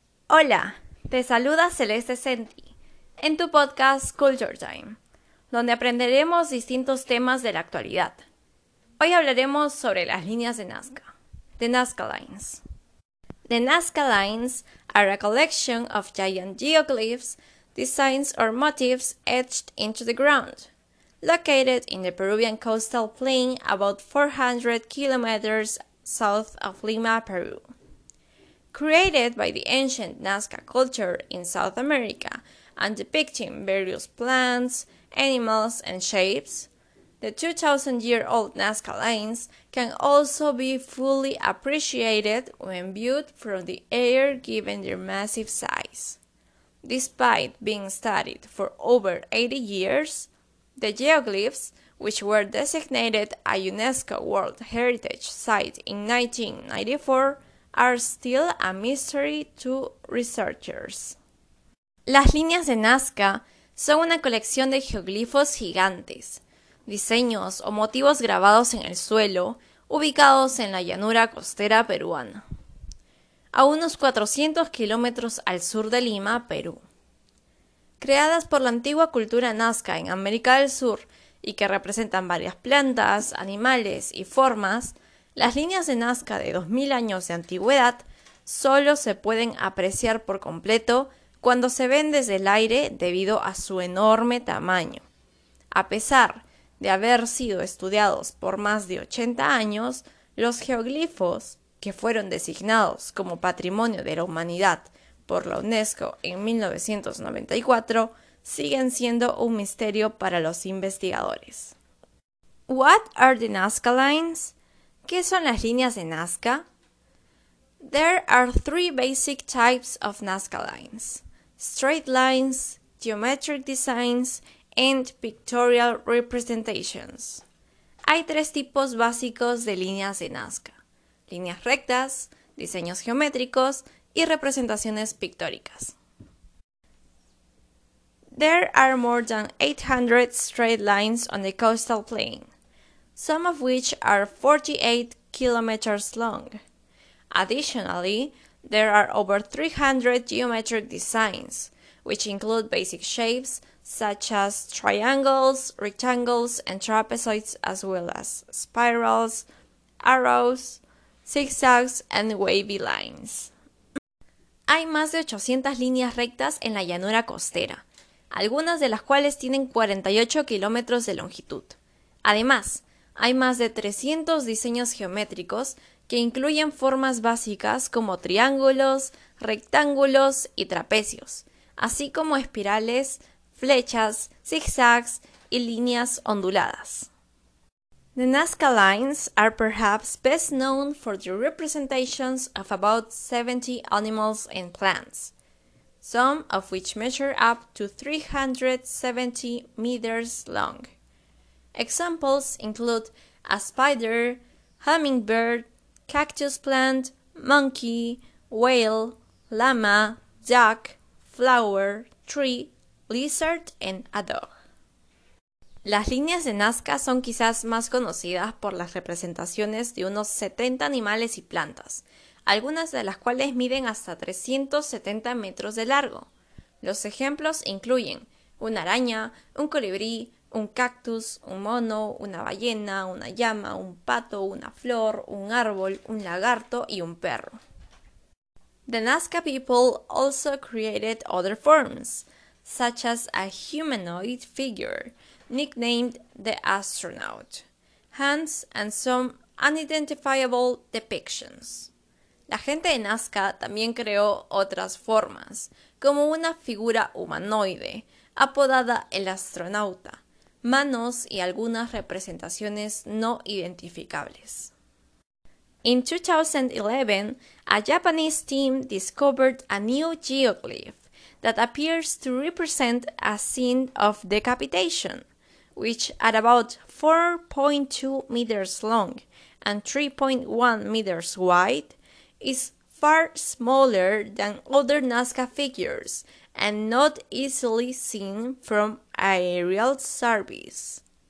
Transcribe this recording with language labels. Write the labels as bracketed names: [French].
[Spanish] Hola, te saluda Celeste Senti en tu podcast Culture Time, donde aprenderemos distintos temas de la actualidad. Hoy hablaremos sobre las líneas de Nazca, the Nazca Lines. [English] The Nazca Lines are a collection of giant geoglyphs, designs or motifs etched into the ground, located in the Peruvian coastal plain about 400 kilometers south of Lima, Peru. Created by the ancient Nazca culture in South America and depicting various plants, animals, and shapes, the 2,000-year-old Nazca lines can also be fully appreciated when viewed from the air given their massive size. Despite being studied for over 80 years, the geoglyphs, which were designated a UNESCO World Heritage Site in 1994, are still a mystery to researchers. [Spanish] Las líneas de Nazca son una colección de geoglifos gigantes, diseños o motivos grabados en el suelo, ubicados en la llanura costera peruana, a unos 400 kilómetros al sur de Lima, Perú. Creadas por la antigua cultura Nazca en América del Sur y que representan varias plantas, animales y formas, las líneas de Nazca de 2000 años de antigüedad solo se pueden apreciar por completo cuando se ven desde el aire debido a su enorme tamaño. A pesar de haber sido estudiados por más de 80 años, los geoglifos, que fueron designados como Patrimonio de la Humanidad por la UNESCO en 1994, siguen siendo un misterio para los investigadores. [English] What are the Nazca lines? [Spanish] ¿Qué son las líneas de Nazca? [English] There are three basic types of Nazca lines: straight lines, geometric designs, and pictorial representations. [Spanish] Hay tres tipos básicos de líneas de Nazca: líneas rectas, diseños geométricos y representaciones pictóricas. [English] There are more than 800 straight lines on the coastal plain, some of which are 48 kilometers long. Additionally, there are over 300 geometric designs, which include basic shapes such as triangles, rectangles, and trapezoids, as well as spirals, arrows, zigzags, and wavy lines. [Spanish] Hay más de 800 líneas rectas en la llanura costera, algunas de las cuales tienen 48 kilómetros de longitud. Además, hay más de 300 diseños geométricos que incluyen formas básicas como triángulos, rectángulos y trapecios, así como espirales, flechas, zigzags y líneas onduladas. [English] The Nazca lines are perhaps best known for their representations of about 70 animals and plants, some of which measure up to 370 meters long. Examples include a spider, hummingbird, cactus plant, monkey, whale, llama, duck, flower, tree, lizard, and a dog. [Spanish] Las líneas de Nazca son quizás más conocidas por las representaciones de unos 70 animales y plantas, algunas de las cuales miden hasta 370 metros de largo. Los ejemplos incluyen una araña, un colibrí, un cactus, un mono, una ballena, una llama, un pato, una flor, un árbol, un lagarto y un perro. [English] The Nazca people also created other forms, such as a humanoid figure, nicknamed the astronaut, hands and some unidentifiable depictions. [Spanish] La gente de Nazca también creó otras formas, como una figura humanoide, apodada el astronauta, manos y algunas representaciones no identificables. [English] In 2011, a Japanese team discovered a new geoglyph that appears to represent a scene of decapitation, which at about 4.2 meters long and 3.1 meters wide, is far smaller than other Nazca figures and not easily seen from aerial service.